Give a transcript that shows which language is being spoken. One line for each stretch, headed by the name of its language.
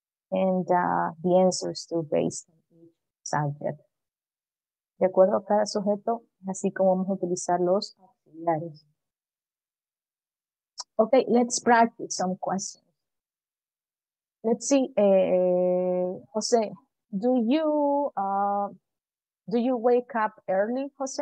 English: And the answers to based on each subject.
Spanish: De acuerdo a cada sujeto, así como vamos a utilizar los auxiliares.
English: Okay, let's practice some questions. Let's see, Jose, do you wake up early, Jose?